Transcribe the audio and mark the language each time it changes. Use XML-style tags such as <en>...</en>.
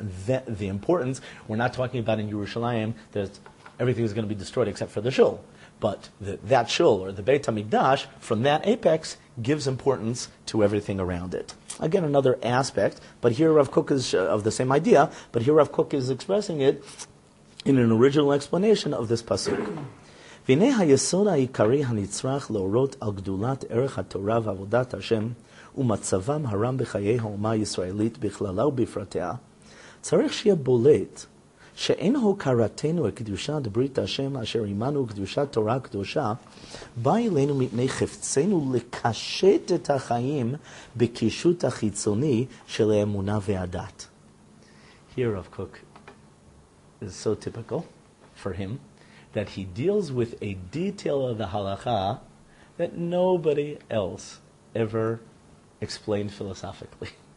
<en>And the importance, we're not talking about in Yerushalayim that everything is going to be destroyed except for the shul. But that shul, or the Beit HaMikdash, from that apex, gives importance to everything around it. Again, another aspect, but here Rav Kook is of the same idea, but here Rav Kook is expressing it in an original explanation of this pasuk.</en> <he>V'nei ha-yesod ha-ikari ha-nitzrach lo'orot al gdulat erech ha-torah v'avodat Hashem ומצבם הרם בחיי האומה הישראלית בכללה ובפרטיה, צריך שיהיה בולט שאין הוקרתנו הקדושת ברית השם אשר עמנו קדושת תורה קדושה, בא אלינו מפני חפצנו לקשט את החיים בקישוט החיצוני של האמונה והדת.</he> <en>Here Rav Kook is so typical for him that he deals with a detail of the halakha that nobody else ever explained philosophically.</en>